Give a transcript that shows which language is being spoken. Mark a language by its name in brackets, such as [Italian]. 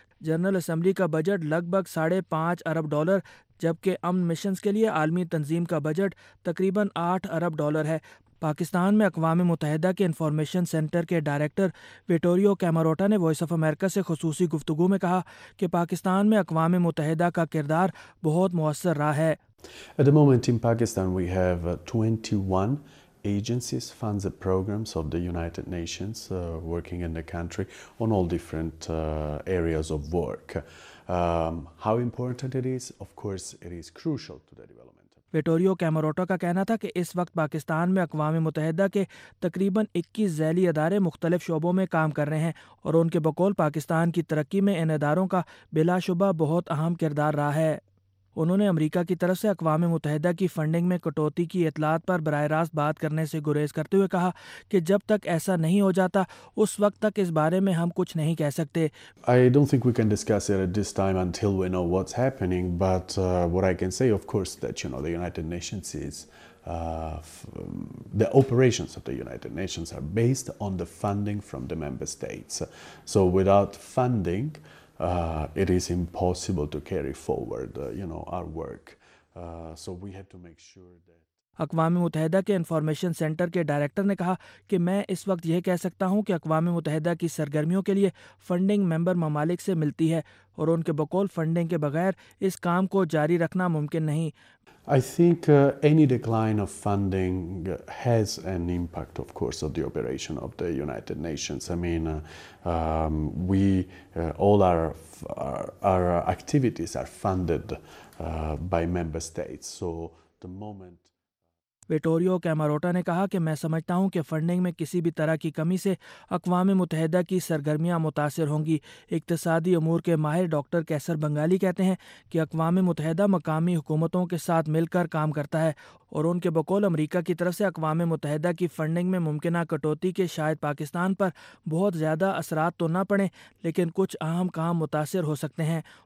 [Urdu] General assembly کا budget لگ بھگ 5.5 ارب ڈالر، جبکہ امن مشنز کے لیے عالمی تنظیم کا بجٹ تقریباً 8 ارب ڈالر ہے۔ پاکستان میں اقوام متحدہ کے انفارمیشن سینٹر کے ڈائریکٹر وٹوریو کیمروٹا نے وائس آف امریکہ سے خصوصی گفتگو میں کہا کہ پاکستان میں اقوام متحدہ کا کردار بہت مؤثر رہا ہے۔ [English] At the moment in Pakistan we have 21 agencies, funds and programs of the United Nations working in the country on all different areas of work. How important it is, of course it is crucial to the development. [Urdu] وٹوریو کیمروٹا کا کہنا تھا کہ اس وقت پاکستان میں اقوام متحدہ کے تقریباً 21 ذیلی ادارے مختلف شعبوں میں کام کر رہے ہیں، اور ان کے بقول پاکستان کی ترقی میں ان اداروں کا بلا شبہ بہت اہم کردار رہا ہے۔ انہوں نے امریکہ کی طرف سے اقوام متحدہ کی فنڈنگ میں کٹوتی کی اطلاعات پر براہ راست بات کرنے سے گریز کرتے ہوئے کہا کہ جب تک ایسا نہیں ہو جاتا اس وقت تک اس بارے میں ہم کچھ نہیں کہہ سکتے۔ [English] I don't think we can discuss it at this time until we know what's happening, but what I can say of course that you know the United Nations is the operations of the United Nations are based on the funding from the member states. So without funding it is impossible to carry forward our work. So we have to make sure that [Urdu] اقوام متحدہ کے information centre کے director نے کہا کہ میں اس وقت یہ کہہ سکتا ہوں کہ اقوام متحدہ کی سرگرمیوں کے لیے فنڈنگ ممبر ممالک سے ملتی ہے، اور ان کے بقول فنڈنگ کے بغیر اس کام کو جاری رکھنا ممکن نہیں۔ [English] I think any decline of funding has an impact of course of the operation of the United Nations. I mean we all our activities are funded by member states. So the moment [Urdu] وٹوریو کیماروٹا نے کہا کہ میں سمجھتا ہوں کہ funding میں کسی بھی طرح کی کمی سے اقوام متحدہ کی سرگرمیاں متاثر ہوں گی. اقتصادی امور کے ماہر ڈاکٹر کیسر بنگالی کہتے ہیں کہ اقوام متحدہ مقامی حکومتوں کے ساتھ مل کر کام کرتا ہے اور ان کے بقول امریکہ کی طرف سے اقوام متحدہ کی فنڈنگ میں ممکنہ کٹوتی کے شاید پاکستان پر بہت زیادہ اثرات تو نہ پڑیں لیکن کچھ اہم کام متاثر ہو سکتے ہیں.